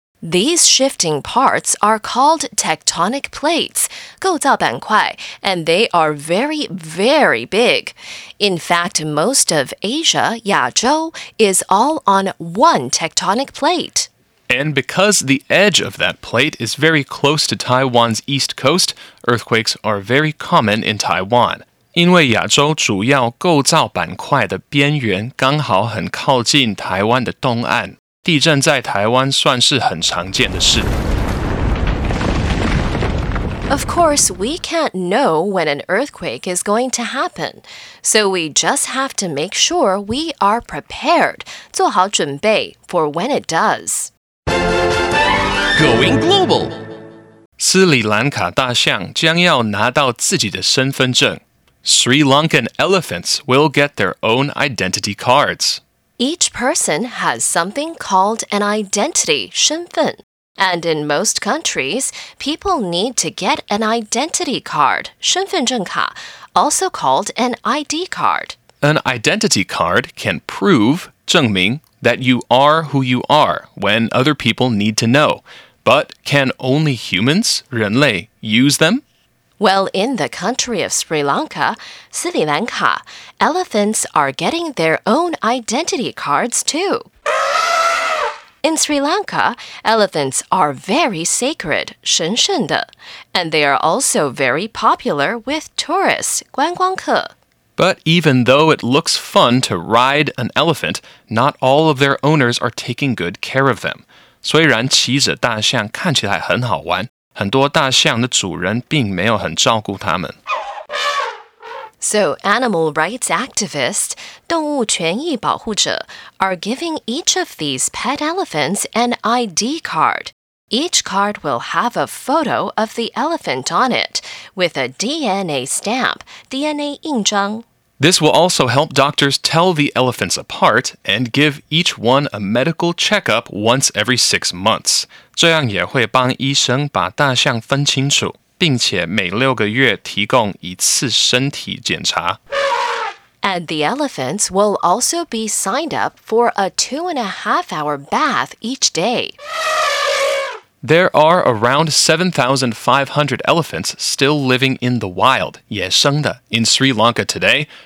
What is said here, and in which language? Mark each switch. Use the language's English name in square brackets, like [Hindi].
[English] These shifting parts are called tectonic plates, 构造板塊, and they are very, very big. In fact, most of Asia, 亚洲, is all on one tectonic plate. And because the edge of that plate is very close to Taiwan's east coast, earthquakes are very common in Taiwan. [Chinese] 因为亚洲主要构造板塊的邊緣剛好很靠近台灣的東岸。地震在台湾算是很常见的事。 [English] Of course, we can't know when an earthquake is going to happen, so we just have to make sure we are prepared, [Chinese] 做好准备 [English] for when it does. Going global! [Chinese] 斯里兰卡大象将要拿到自己的身份证。 [English] Sri Lankan elephants will get their own identity cards. Each person has something called an identity, 身份. And in most countries, people need to get an identity card, 身份证卡, also called an ID card. An identity card can prove, 证明, that you are who you are when other people need to know. But can only humans, 人类, use them? Well, in the country of Sri Lanka, 斯里兰卡, elephants are getting their own identity cards too. In Sri Lanka, elephants are very sacred, 神圣的, and they are also very popular with tourists, 观光客. But even though it looks fun to ride an elephant, not all of their owners are taking good care of them. [Chinese] 虽然骑着大象看起来很好玩,很多大象的主人并没有很照顾他们。 [English] So, animal rights activists, 动物权益保护者, are giving each of these pet elephants an ID card. Each card will have a photo of the elephant on it, with a DNA stamp, DNA 印章。 This will also help doctors tell the elephants apart and give each one a medical checkup once every 6 months. [Chinese] 这样也会帮医生把大象分清楚，并且每六个月提供一次身体检查。 [English] And the elephants will also be signed up for a 2.5-hour bath each day. There are around 7,500 elephants still living in the wild, 野生的, in Sri Lanka today.